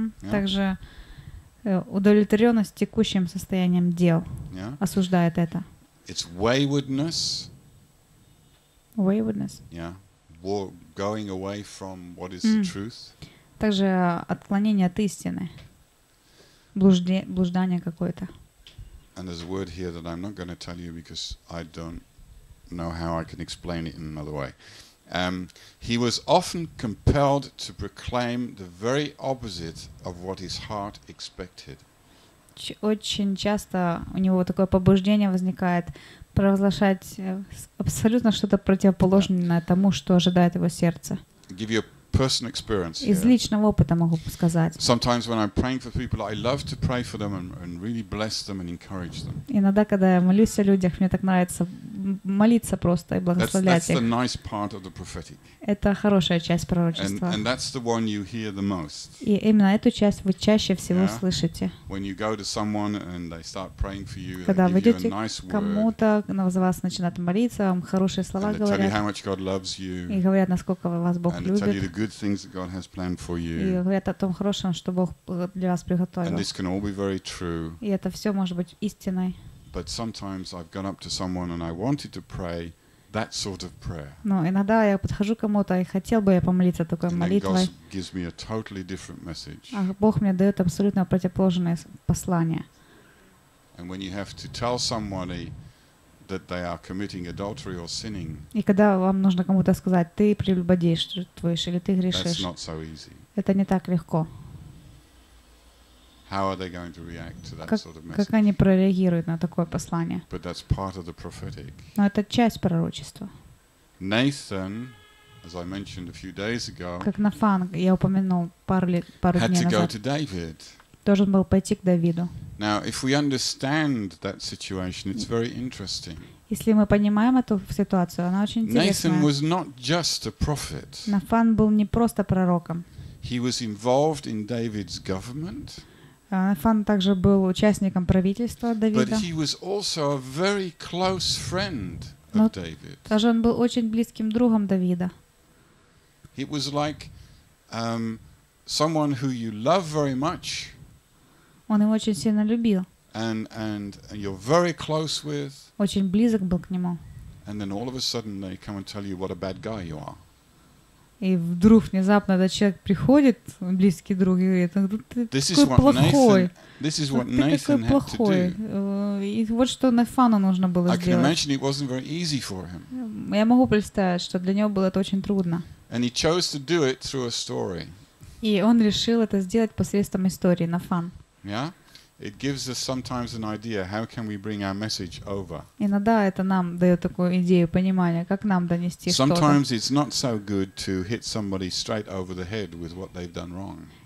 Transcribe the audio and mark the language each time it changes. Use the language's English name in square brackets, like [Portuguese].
[Russian] Также удовлетворенность текущим состоянием дел. [English] Yeah. [Russian] Осуждает это. [English] It's waywardness. Waywardness. Yeah. Going away from what is the truth. [Russian] Также отклонение от истины. Блуждание какое-то. [English] And there's a word here that I'm not going to tell you because I don't know how I can explain it in another way. He was often compelled to proclaim the very opposite of what his heart expected. [Russian] Очень часто у него такое побуждение возникает провозглашать абсолютно что-то противоположное тому, что ожидает его сердце. [English] Give you a personal experience. [Russian] Из личного опыта могу сказать. [English] Sometimes when I'm praying for people, I love to pray for them and really bless them and encourage them. [Russian] Иногда, когда я молюсь о людях, мне так нравится молиться просто и благословлять их. [English] That's the nice part of the prophetic. [Russian] Это хорошая часть пророчества. [English] And that's the one you hear the most. [Russian] И именно эту часть вы чаще всего слышите. [English] When you go to someone and they start praying for you, [Russian] когда вы идете кому-то, на вас начинают молиться, вам хорошие слова говорят. [English] They tell you how much God loves you. [Russian] И говорят, насколько вас Бог любит. [English] The good things that God has planned for you. [Russian] И говорят о том хорошем, что Бог для вас приготовил. [English] And this can all be very true. [Russian] И это все может быть истиной. [English] But sometimes I've gone up to someone and I wanted to pray that sort of prayer. [Russian] Но иногда я подхожу к кому-то и хотел бы я помолиться такой молитвой. [English] God gives me a totally different message. [Russian] А Бог мне дает абсолютно противоположное послание. [English] And when you have to tell somebody that they are committing adultery or sinning. [Russian] И когда вам нужно кому-то сказать, ты прелюбодействуешь или ты грешишь. [English] That's not so easy. [Russian] Это не так легко. [English] How are they going to react to that sort of message? [Russian] Как они прореагируют на такое послание? [English] But that's part of the prophetic. [Russian] Но это часть пророчества. [English] Nathan, as I mentioned a few days ago. [Russian] Как Нафан, я упомянул пару дней назад. [English] Had to go to David. [Russian] Должен был пойти к Давиду. [English] Now, if we understand that situation, it's very interesting. [Russian] Если мы понимаем эту ситуацию, она очень интересная. [English] Nathan was not just a prophet. [Russian] Нафан был не просто пророком. [English] He was involved in David's government. [Russian] Нафан также был участником правительства Давида. [English] But he was also a very close friend of David. [Russian] Также он был очень близким другом Давида. [English] It was like someone who you love very much. [Russian] Он его очень сильно любил. [English] And you're very close with. [Russian] Очень близок был к нему. [English] And then all of a sudden they come and tell you what a bad guy you are. [Russian] И вдруг внезапно этот человек приходит, близкий друг, и говорит: ну, ты такой плохой. [English] This is what Nathan had to do. [Russian] И вот что Нафану нужно было сделать. [English] I can imagine it wasn't very easy for him. [Russian] Я могу представить, что для него было это очень трудно. [English] And he chose to do it through a story. [Russian] И он решил это сделать посредством истории Нафан. [English] Yeah, it gives us sometimes an idea. How can we bring our message over? [Russian] Иногда это нам дает такую идею понимания, как нам донести что-то. [English] Sometimes it's not so good to hit somebody straight over the head with what they've done wrong.